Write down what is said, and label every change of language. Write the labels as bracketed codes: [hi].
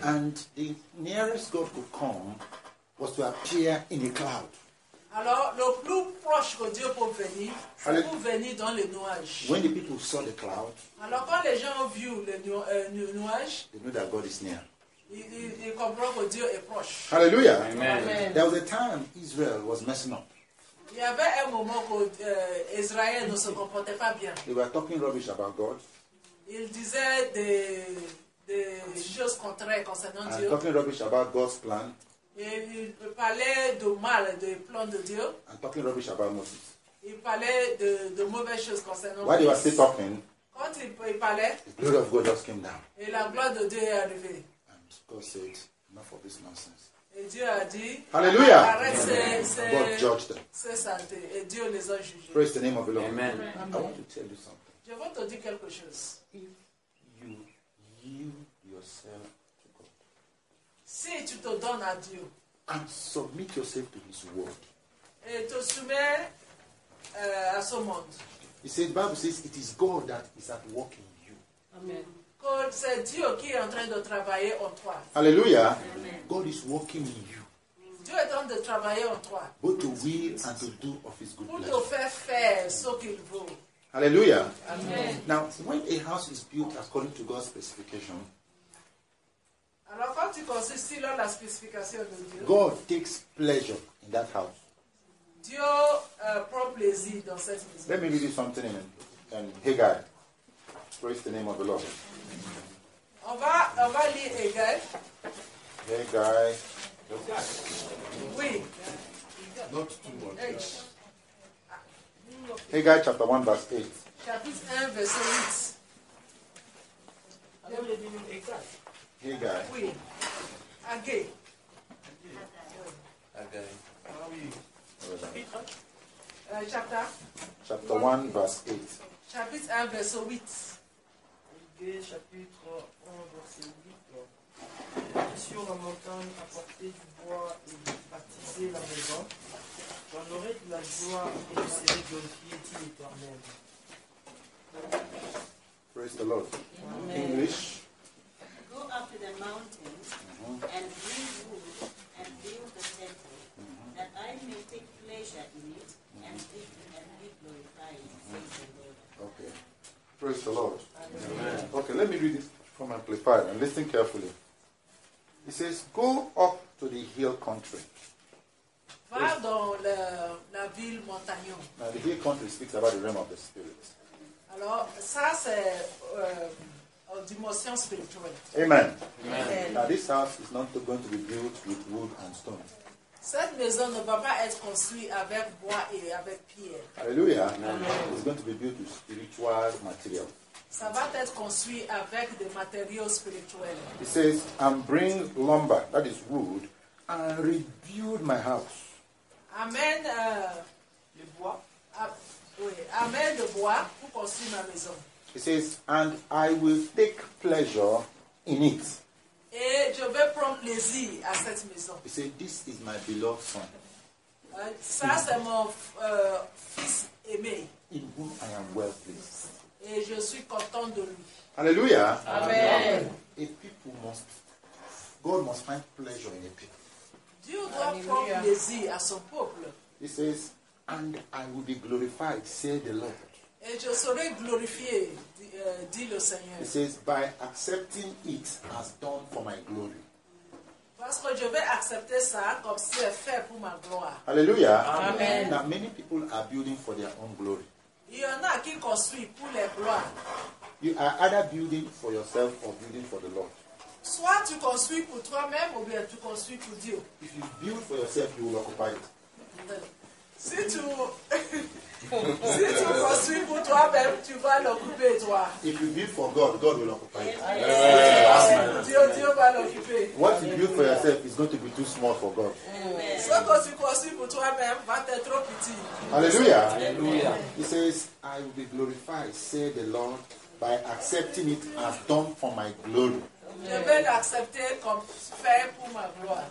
[en] And the nearest God could come was to appear in a cloud. [fr] Alors, le plus proche que Dieu peut venir, c'est pour venir dans les nuages. [en] When the people saw the cloud, [fr] alors, quand les gens ont vu le nuage, [en] they know that God is near. [fr] Ils comprennent que Dieu est proche. [en] Hallelujah. Amen. There was a time Israel was messing up. [fr] Il y avait un moment où Israël ne se comportait pas bien. [en] They were talking rubbish about God. [fr] Ils disaient des choses contraires concernant [en] and [fr] Dieu. [en] Talking rubbish about God's plan. [fr] Et il parlait de mal, de plan de Dieu. [en] And talking rubbish about Moses. [fr] Il parlait de mauvaises choses concernant [en] Moses. While he was still talking, [fr] quand il parlait, [en] the glory of God just came down. [fr] Et la gloire de Dieu est arrivée. [en] And God said, enough of this nonsense. [fr] Et Dieu a dit, [en] hallelujah. [fr] Arrête, [en] God judged them. [fr] C'est santé. Et Dieu les a jugés. [en] Praise the name of the Lord. Amen. I want to tell you something. [fr] Je veux te dire quelque chose. [en] If you yield yourself, [fr] si tu te donnes à Dieu, [en] and submit yourself to His word, [fr] et te soumets à ce monde. [en] He said, the Bible says, it is God that is at work in you. Amen. [fr] God, c'est Dieu qui est en train de travailler en toi. Alléluia. God is working in you. Dieu est en train de travailler en toi. Both to will and to do of his good pleasure. Pour te faire ce qu'il veut. Alléluia. Amen. [en] Now, when a house is built according to God's specification, [fr] alors quand tu construis selon la spécification de Dieu, [en] God takes pleasure in that house. [fr] Dieu prend plaisir dans cette maison. [en] Let me read you something in Haggai. Praise the name of the Lord. [fr] On va lire Haggai. Haggai. Oui. [en] Not too much. Haggai chapter 1 verse 8. [fr] Chapitre 1 verse 8. Haggai. Oui. Haggai. Haggai. [en] Chapter 1 verse 8. [fr] Chapitre 1 verse 8. Chapitre 1 verse 8. Sur la montagne, apporter du bois et baptiser la maison, j'en aurai de la joie et je serai glorifié, dit l'Éternel. [en] Praise the Lord. Amen. English. Go up to the mountain and bring wood and build the temple, that I may take pleasure in it and be glorified. Okay. Praise the Lord. Amen. Okay, let me read it from Amplified and listen carefully. It says, go up to the hill country. [fr] Va dans la ville montagneuse. [en] Now, the hill country speaks about the realm of the spirit. [fr] Alors, ça, c'est une dimension spirituelle. Amen. Amen. [en] Now, this house is not going to be built with wood and stone. [fr] Cette maison ne va pas être construite avec bois et avec pierre. Alléluia. Amen. [en] It's going to be built with spiritual material. [fr] Ça va être construit avec des matériaux spirituels. [en] He says, and bring lumber, that is wood, and rebuild my house. Amen. [fr] Le bois. Amen le bois pour construire ma maison. [en] He says, and I will take pleasure in it. [fr] Et je vais prendre plaisir à cette maison. [en] He says, this is my beloved son. [fr] Ça, c'est mon fils aimé. [en] In whom I am well pleased. [fr] Et je suis content de lui. Alléluia. Amen. [en] Et people must, God must find pleasure in a people. [fr] Dieu doit prendre plaisir à son peuple. [en] He says, and I will be glorified, said the Lord. [fr] Et je serai glorifié, dit le Seigneur. [en] He says, by accepting it as done for my glory. [fr] Parce que je vais accepter ça comme si c'est fait pour ma gloire. Alléluia. Amen. [en] Now many people are building for their own glory. [fr] Il y en a qui construit pour les gloires. [en] You are either building for yourself or building for the Lord. [fr] Soit tu construis pour toi-même ou bien tu construis pour Dieu. [en] If you build for yourself, you will occupy it. [fr] Si tu si tu construis pour toi-même, tu vas l'occuper toi. [en] If you build for God, God will occupy it. [fr] Yes. Dieu va l'occuper. [en] What you build for yourself is going to be too small for God. [fr] Ce que tu construis pour toi-même va être trop petit. Alléluia. Alléluia. [en] He says, I will be glorified, said the Lord, by accepting it as done for my glory. [fr] Je vais l'accepter comme fait pour ma gloire.